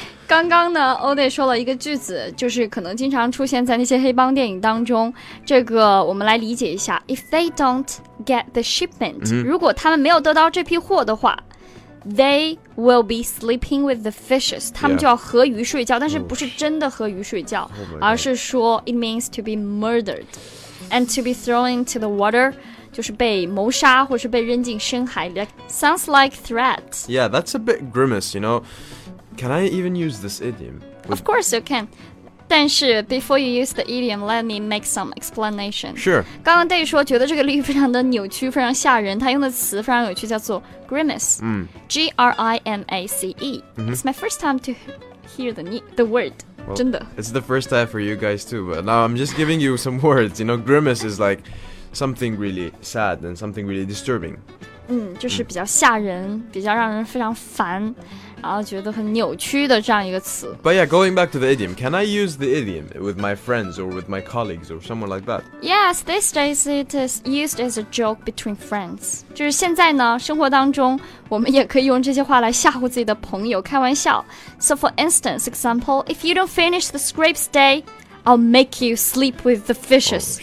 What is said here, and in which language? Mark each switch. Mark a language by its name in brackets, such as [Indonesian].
[Chinese] 刚刚呢 ,Oday 说了一个句子，就是可能经常出现在那些黑帮电影当中。这个我们来理解一下 [English] ,if they don't get the shipment,、 mm-hmm. [Chinese] 如果他们没有得到这批货的话 , [English] they will be sleeping with the fishes, [Chinese] 他们就要和鱼睡觉、 [English] yeah. [Chinese] 但是不是真的和鱼睡觉、 oh、而是说 [English] ,it means to be murdered, and to be thrown into the water, [Chinese] 就是被谋杀或是被扔进深海 [English] like, ,sounds like threat. Yeah, that's a bit grimace, you know. Can I even use this idiom? Of course you can. [Chinese] 但是 [English] before you use the idiom, let me make some explanation. Sure. [Chinese] 刚刚 Day 说觉得这个例非常的扭曲非常吓人他用的词非常有趣叫做 grimace.、 Mm. [English] G-R-I-M-A-C-E.、 Mm-hmm. It's my first time to hear the word. Well, [Chinese] 真的 [English] It's the first time for you guys too. But now I'm just giving you some words. You know, grimace is like something really sad and something really disturbing. [Chinese] 就是比较吓人、比较让人非常烦然后觉得很扭曲的这样一个词 [English] But yeah, going back to the idiom Can I use the idiom with my friends or with my colleagues or someone like that? Yes, these days it is used as a joke between friends [Chinese] 就是现在呢生活当中我们也可以用这些话来吓唬自己的朋友开玩笑 [English] So for instance, example If you don't finish the scrapes day I'll make you sleep with the fishes